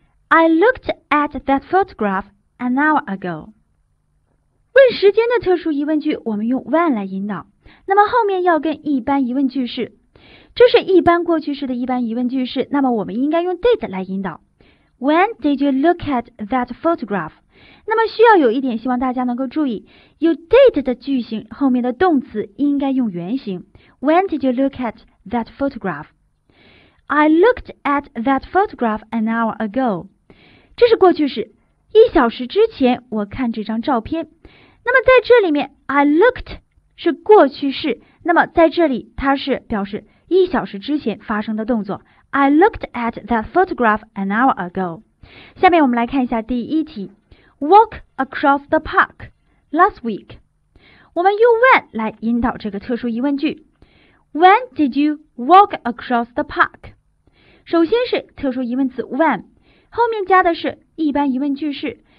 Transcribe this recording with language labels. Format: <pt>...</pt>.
<en>I looked at that photograph an hour ago.</en> <zh>问时间的特殊疑问句，我们用 when 来引导，那么后面要跟一般疑问句式，这是一般过去式的一般疑问句式，那么我们应该用 did 来引导。</zh> <en>When did you look at that photograph?</en> <zh>那么需要有一点希望大家能够注意， you did 的句型后面的动词应该用原形。</zh> <en>When did you look at that photograph? I looked at that photograph an hour ago.</en> <zh>这是过去式，一小时之前我看这张照片。那么在这里面</zh> <en>I looked</en> <zh>是过去式，那么在这里它是表示一小时之前发生的动作。</zh> <en>I looked at that photograph an hour ago.</en> <zh>下面我们来看一下第一题。</zh> <en>Walk across the park last week.</en> <zh>我们用 when 来引导这个特殊疑问句。</zh> <en>When did you walk across the park?</en> <zh>首先是特殊疑问词 when， 后面加的是一般疑问句式。</zh>